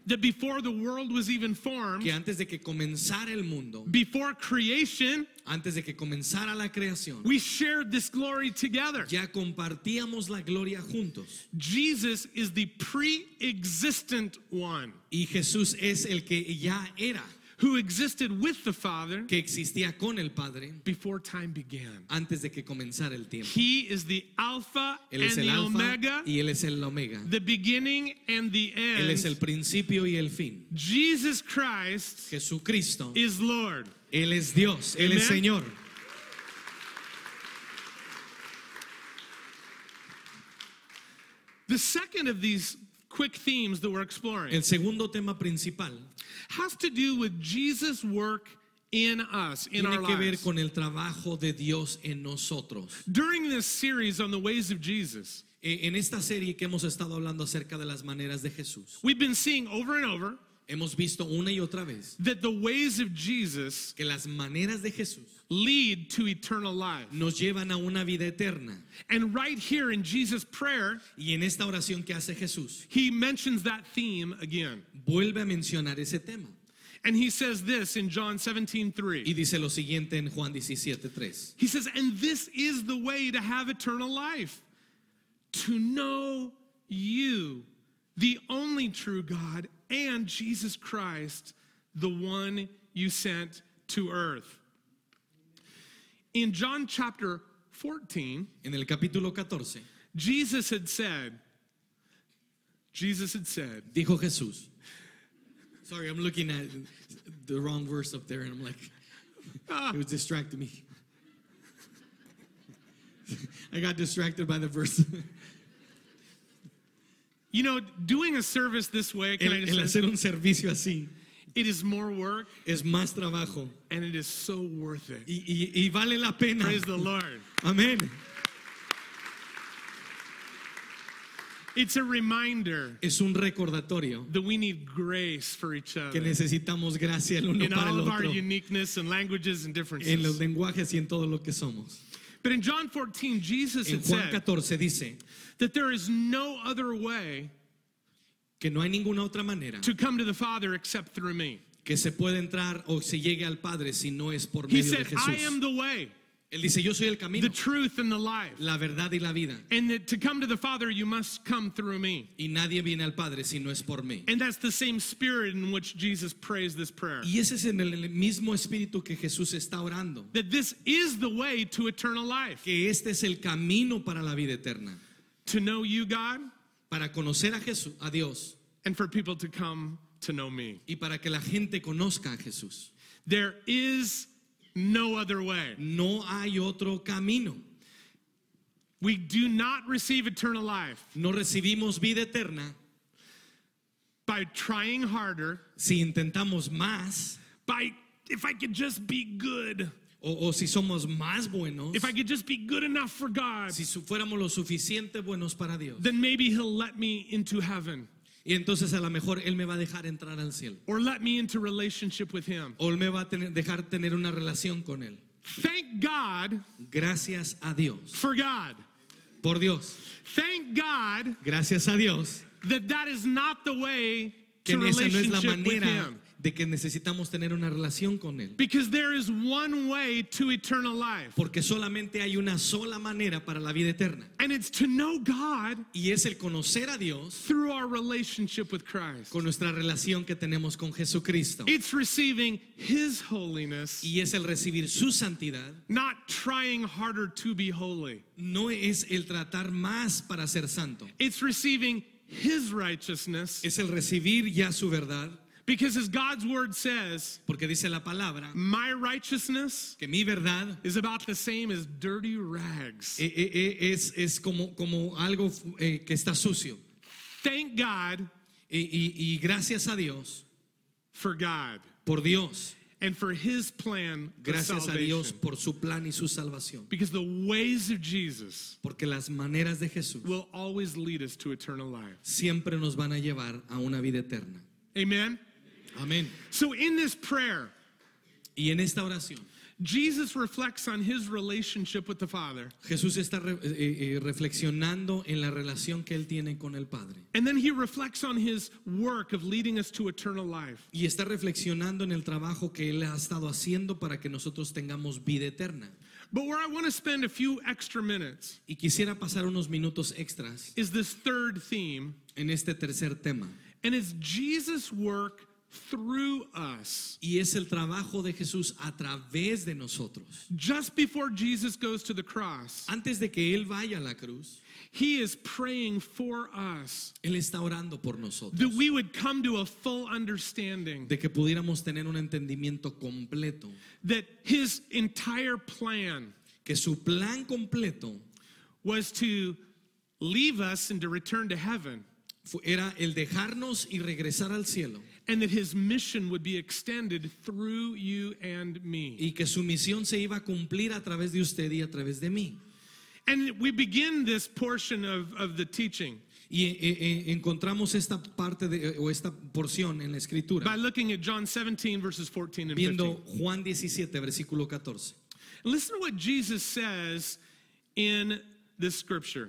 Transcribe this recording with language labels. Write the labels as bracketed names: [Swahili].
[English] that before the world was even formed, [Spanish] que antes de que comenzara el mundo, [English] before creation, [Spanish] antes de que comenzara la creación, [English] we shared this glory together. [Spanish] Ya compartíamos la gloria juntos. [English] Jesus is the pre-existent one. [Spanish] Y Jesús es el que ya era. [English] Who existed with the Father, [Spanish] que existía con el Padre, [English] before time began, [Spanish] antes de que comenzara el tiempo. [English] He is the Alpha [Spanish] él es [English] and [Spanish] el [English] the Omega, [Spanish] y él es el Omega, [English] the beginning and the end. [Spanish] Él es el principio y el fin. [English] Jesus Christ, [Spanish] Jesucristo, [English] is Lord. [Spanish] Él es Dios, él [English] Amen. [Spanish] Es Señor. [English] The second of these quick themes that we're exploring, [Spanish] el segundo tema principal, [English] has to do with Jesus' work in us, in [Spanish] tiene [English] our [Spanish] que ver [English] lives. [Spanish] Con el trabajo de Dios en nosotros. [English] During this series on the ways of Jesus, [Spanish] en esta serie que hemos estado hablando acerca de las maneras de Jesús, [English] we've been seeing over and over, [Spanish] hemos visto una y otra vez, [English] that the ways of Jesus, [Spanish] que las maneras de Jesús, [English] lead to eternal life, [Spanish] nos llevan a una vida eterna. [English] And right here in Jesus' prayer, [Spanish] y en esta oración que hace Jesús, [English] he mentions that theme again. [Spanish] Vuelve a mencionar ese tema. [English] And he says this in John 17:3. [Spanish] Y dice lo siguiente en Juan 17:3. [English] He says, and this is the way to have eternal life, to know you, the only true God, and Jesus Christ, the one you sent to earth. In John chapter 14, [Spanish] en el capítulo 14, [English] Jesus had said, [Spanish] dijo Jesús, [English] sorry, I'm looking at the wrong verse up there, and I'm like, it was distracting me. I got distracted by the verse. You know, doing a service this way, [Spanish] hacer un servicio así, [English] it is more work. [Spanish] Es más trabajo. [English] And it is so worth it. [Spanish] Y vale la pena. [English] Praise the Lord. Amen. It's a reminder. [Spanish] Es un recordatorio. [English] That we need grace for each other. [Spanish] Que necesitamos gracia el uno para el otro. [English] In all of our uniqueness and languages and differences. [Spanish] En los lenguajes y en todo lo que somos. [English] But in John 14, Jesus [Spanish] en Juan 14 [English] said, [Spanish] dice, [English] that there is no other way [Spanish] que no hay ninguna otra manera [English] to come to the Father except through me. [Spanish] Que se puede entrar o se llegue al Padre si no es por [English] he [Spanish] medio [English] said, [Spanish] de Jesús. [English] He said, I am the way. [Spanish] Él dice, yo soy el camino, [English] the truth and the life. [Spanish] La verdad y la vida. [English] And that to come to the Father, you must come through me. [Spanish] Y nadie viene al Padre si no es por mí. [English] And that's the same spirit in which Jesus prays this prayer. [Spanish] Y ese es en el mismo espíritu que Jesús está orando. [English] That this is the way to eternal life. [Spanish] Que este es el camino para la vida eterna. [English] To know you, God. [Spanish] Para conocer a Jesús, a Dios. [English] And for people to come to know me. [Spanish] Y para que la gente conozca a Jesús. [English] There is no other way. [Spanish] No hay otro camino. [English] We do not receive eternal life. [Spanish] No recibimos vida eterna. [English] By trying harder. [Spanish] Si intentamos más. [English] By if I could just be good. [Spanish] O si somos más buenos. [English] If I could just be good enough for God. [Spanish] Si fuéramos lo suficiente buenos para Dios. [English] Then maybe he'll let me into heaven. [Spanish] Y entonces a lo mejor él me va a dejar entrar al cielo. [English] Or let me into relationship with him. [Spanish] O él me va a dejar tener una relación con él. [English] Thank God. [Spanish] Gracias a Dios. [English] For God. [Spanish] Por Dios. [English] Thank God. [Spanish] Gracias a Dios. [English] That that is not the way to relationship [Spanish] no es la manera de que necesitamos tener una relación con él. [English] Because there is one way to eternal life. [Spanish] Porque solamente hay una sola manera para la vida eterna. [English] And it's to know God. [Spanish] Y es el conocer a Dios. [English] Through our relationship with Christ. [Spanish] Con nuestra relación que tenemos con Jesucristo. [English] It's receiving his holiness. [Spanish] Y es el recibir su santidad. [English] Not trying harder to be holy. [Spanish] No es el tratar más para ser santo. [English] It's receiving his righteousness. [Spanish] Es el recibir ya su verdad. [English] Because as God's word says, [Spanish] porque dice la palabra, [English] my righteousness [Spanish] que mi verdad [English] is about the same as dirty rags. [Spanish] Es como algo que está sucio. [English] Thank God [Spanish] y gracias a Dios [English] for God [Spanish] por Dios [English] and for his plan [Spanish] gracias [English] salvation. [Spanish] A Dios por su plan y su salvación. [English] Because the ways of Jesus [Spanish] porque las maneras de Jesús [English] will always lead us to eternal life. [Spanish] Siempre nos van a llevar a una vida eterna. [English] Amen. [Spanish] Amen. [English] So in this prayer, [Spanish] y en esta oración, [English] Jesus reflects on his relationship with the Father. [Spanish] Jesús está reflexionando en la relación que él tiene con el Padre. [English] And then he reflects on his work of leading us to eternal life. [Spanish] Y está reflexionando en el trabajo que él ha estado haciendo para que nosotros tengamos vida eterna. [English] But where I want to spend a few extra minutes, [Spanish] y quisiera pasar unos minutos extras, [English] is this third theme, [Spanish] en este tercer tema, [English] and it's Jesus' work. Through us. [Spanish] Y es el trabajo de Jesús a través de nosotros. [English] Just before Jesus goes to the cross. [Spanish] Antes de que él vaya a la cruz. [English] He is praying for us. [Spanish] Él está orando por nosotros. [English] That we would come to a full understanding. [Spanish] De que pudiéramos tener un entendimiento completo. [English] That his entire plan. [Spanish] Que su plan completo. [English] Was to leave us and to return to heaven. [Spanish] Era el dejarnos y regresar al cielo. [English] And that his mission would be extended through you and me. [Spanish] Y que su misión se iba a cumplir a través de usted y a través de mí. [English] And we begin this portion of the teaching. [Spanish] Y encontramos esta parte de, o esta porción en la escritura. [English] By looking at John 17 verses 14 and 15. [Spanish] Viendo Juan 17 versículo 14. [English] Listen to what Jesus says in this scripture.